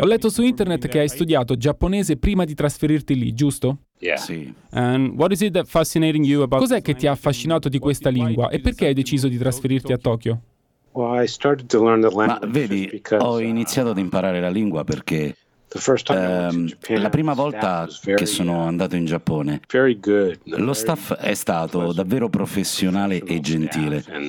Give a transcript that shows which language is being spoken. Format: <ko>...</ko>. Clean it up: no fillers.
<it>Ho letto su internet che hai studiato giapponese prima di trasferirti lì, giusto?</it> <en>Yeah.</en> <it>Sì.</it> <en>And what is it that fascinating you about?</en> <it>Cos'è che ti ha affascinato di questa lingua e perché hai deciso di trasferirti a Tokyo?</it> <en>Well, I started to learn the language.</en> <it>Ma vedi, ho iniziato ad imparare la lingua perché la prima volta che sono andato in Giappone, lo staff è stato davvero professionale e gentile.</it>